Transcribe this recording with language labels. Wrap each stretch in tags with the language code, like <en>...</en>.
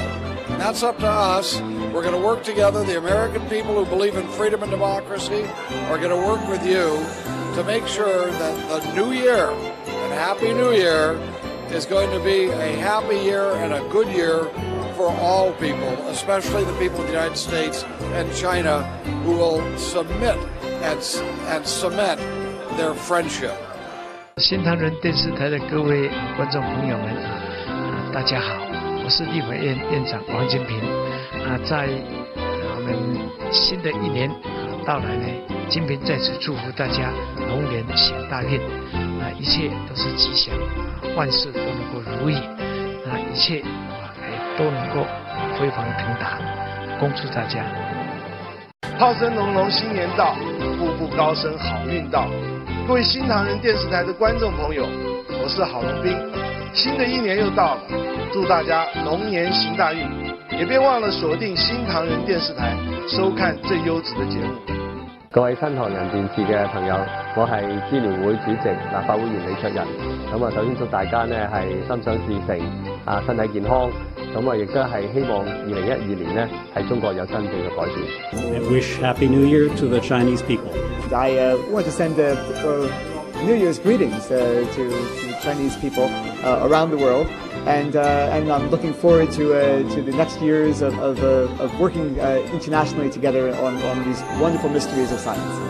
<en>And that's up to us. We're going to work together. The American people who believe in freedom and democracy are going to work with you to make sure that the new year, and Happy New Year, is going to be a happy year and a good year for all people, especially the people of the United States and China, who will submit and cement their friendship.</en> <zh>新唐人电视台的各位观众朋友们，大家好，我是立法院院长王金平。在我们新的一年到来呢，金平在此祝福大家龙年行大运，一切都是吉祥，万事都能够如意，一切都能够辉煌腾达，恭祝大家。炮声隆隆，新年到，步步高升，好运到。各位新唐人电视台的观众朋友，我是郝龙斌，新的一年又到了，祝大家龙年行大运，也别忘了锁定新唐人电视台收看最优质的节目。各位新唐人电视的朋友，我是支联会主席立法会员李卓仁，首先祝大家是心想事成，身体健康，亦都是希望2012年呢是中国有真正的改变。</zh> <en>I wish Happy New Year to the Chinese people. I want to send a New Year's greetings to Chinese people around the world, and I'm looking forward to the next years of working internationally together on these wonderful mysteries of science.</en>